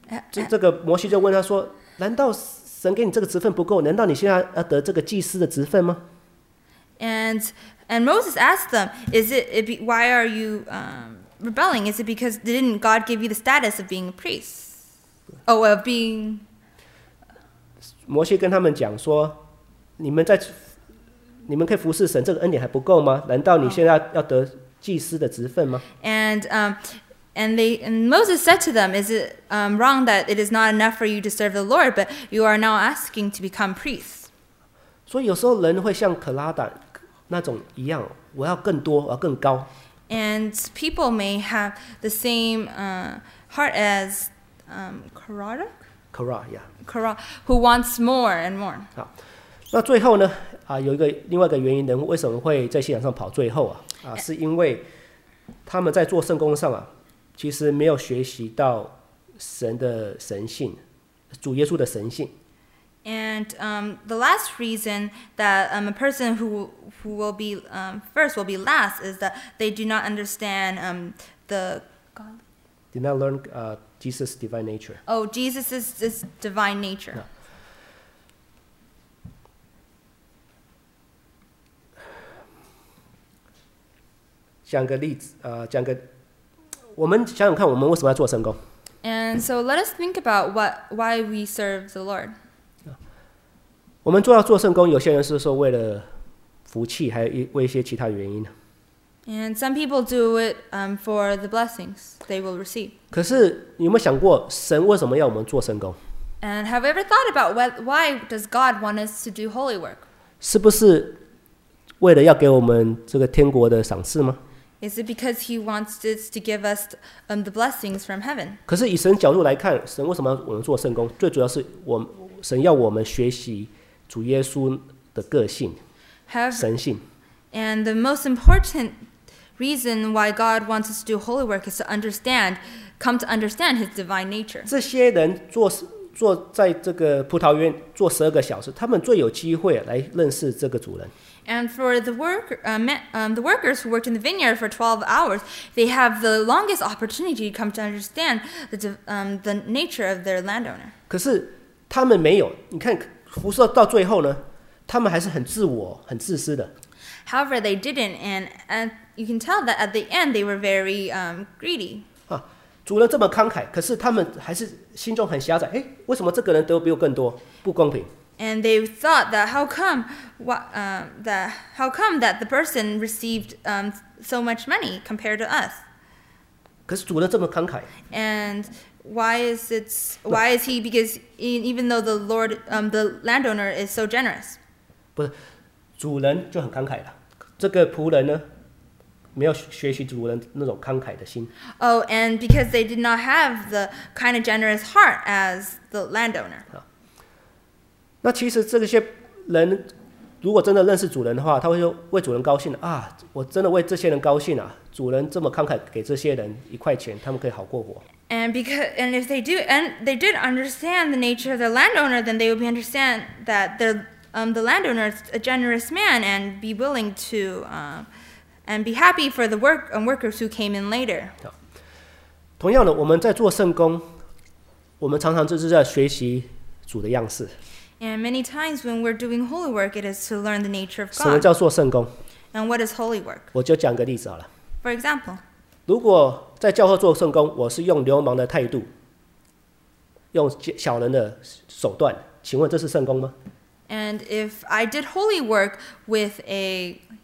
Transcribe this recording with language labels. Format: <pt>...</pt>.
<zh>这个摩西就问他说：“难道神给你这个职分不够？难道你现在要得这个祭司的职分吗？”</zh> <en>And Moses asked them, "Why are you rebelling? Is it because didn't God give you the status of being a priest? Oh, of being?"</en> <zh>摩西跟他们讲说：“你们可以服侍神，这个恩典还不够吗？难道你现在要得祭司的职分吗？”</zh> <en>And Moses said to them, "Is it wrong that it is not enough for you to serve the Lord, but you are now asking to become priests?"</en> <zh>所以有时候人会像可拉胆那种一样，我要更多，我要更高。</zh> <en>And people may have the same heart as Kara, who wants more and more.</en> <zh>那最后呢？有一个另外一个原因，人为什么会在信仰上跑最后啊？是因为他们在做圣工上啊，其实没有学习到神的神性，主耶稣的神性。</zh> <en>And the last reason that a person who will be first will be last is that they do not understand the God. Did not learn Jesus' divine nature. Oh, Jesus' this divine nature. No.</en> <zh>讲个例子，讲个，我们想想看，我们为什么要做圣工</zh> <en>？And so let us think about why we serve the Lord.</en> <zh>我们做圣工，有些人是说为了福气，还有一些其他原因。</zh> <en>And some people do it for the blessings they will receive.</en> <zh>可是你有没有想过，神为什么要我们做圣工</zh> <en>？And have you ever thought about why does God want us to do holy work?</en> <zh>是不是为了要给我们这个天国的赏赐吗？</zh> <en>Is it because he wants us to give us the blessings from heaven?</en> <zh>可是以神角度来看，神为什么要我们做圣工？最主要是神要我们学习主耶稣的个性、神性。</zh> <en>And the most important reason why God wants us to do holy work is to come to understand His divine nature.</en> <zh>这些人坐在这个葡萄园坐十二个小时，他们最有机会来认识这个主人。</zh> <en>And for the workers who worked in the vineyard for 12 hours, they have the longest opportunity to come to understand the nature of their landowner.</en> <zh>可是他们没有，你看服侍到最后呢，他们还是很自我、很自私的。</zh> <en>However, they didn't, and you can tell that at the end they were very greedy.</en> <zh>主人这么慷慨，可是他们还是心中很狭窄。哎，为什么这个人得比我更多？不公平。</zh> <en>And they thought that how come that the person received so much money compared to us?</en> <zh>可是主人这么慷慨。</zh> <en>And why is he because even though the Lord the landowner is so generous?</en> <zh>不是，主人就很慷慨了。这个仆人呢，没有学习主人那种慷慨的心。</zh> <en>Oh, and because they did not have the kind of generous heart as the landowner.</en> <zh>那其实这些人如果真的认识主人的话，他会说为主人高兴啊，我真的为这些人高兴啊，主人这么慷慨给这些人一块钱，他们可以好过活。</zh> <en>And if they do, and they did understand the nature of the landowner, then they would be understand that the landowner is a generous man and be willing to and be happy for the work and workers who came in later.</en> <zh>同样的，我们在做圣工，我们常常就是在学习主的样式。</zh> <en>And many times when we're doing holy work, it is to learn the nature of God.</en> <zh>什么叫做圣工？</zh> <en>And what is holy work?</en> <zh>我就讲个例子好了。</zh> <en>For example,</en> <zh>如果在教会做圣工，我是用流氓的态度，用小人的手段，请问这是圣工吗？</zh> <en>And if I did holy work with a</en>